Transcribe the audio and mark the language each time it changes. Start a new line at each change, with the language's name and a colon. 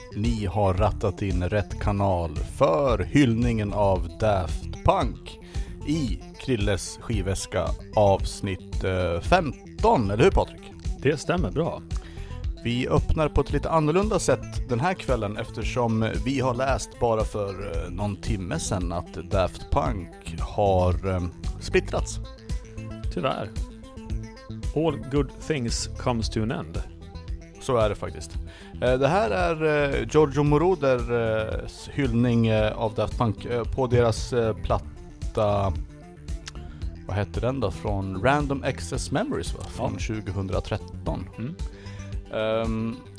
Swedish: Ni har rattat in rätt kanal för hyllningen av Daft Punk i Krilles skivväska avsnitt 15, eller hur Patrik? Det stämmer bra. Vi öppnar på ett lite annorlunda sätt den här kvällen, eftersom vi har läst bara för någon timme sedan att Daft Punk har splittrats. Tyvärr.
English: All good things comes to an end.
Swedish: Så är det faktiskt. Det här är Giorgio Moroders hyllning av Daft Punk på deras platta, vad heter den då, från Random Access Memories, va? Från 2013. Mm.